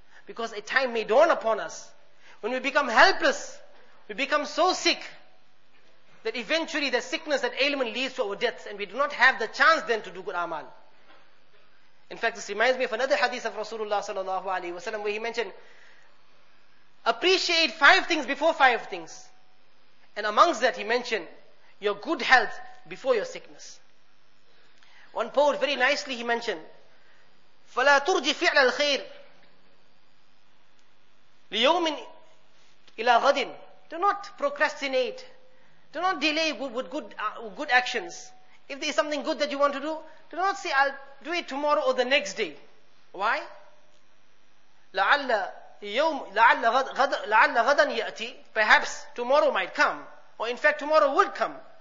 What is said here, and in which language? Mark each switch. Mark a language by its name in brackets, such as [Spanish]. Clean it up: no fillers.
[English] Because a time may dawn upon us when we become helpless, we become so sick that eventually the sickness, that ailment leads to our death, and we do not have the chance then to do good amal. In fact, this reminds me of another hadith of Rasulullah sallallahu alayhi wa sallam, where he mentioned, appreciate five things before five things. And amongst that, he mentioned, your good health before your sickness. One poet, very nicely, he mentioned, [Arabic] فَلَا تُرْجِ فِعْلَ الْخَيْرِ لِيَوْمٍ إِلَىٰ غَدٍ. [English] Do not procrastinate. Do not delay with good actions. If there is something good that you want to do, do not say, I'll do it tomorrow or the next day. Why? [Arabic] لَعَلَّ غَدًا يَأْتِي. [English] Perhaps tomorrow might come. Or in fact, tomorrow will come.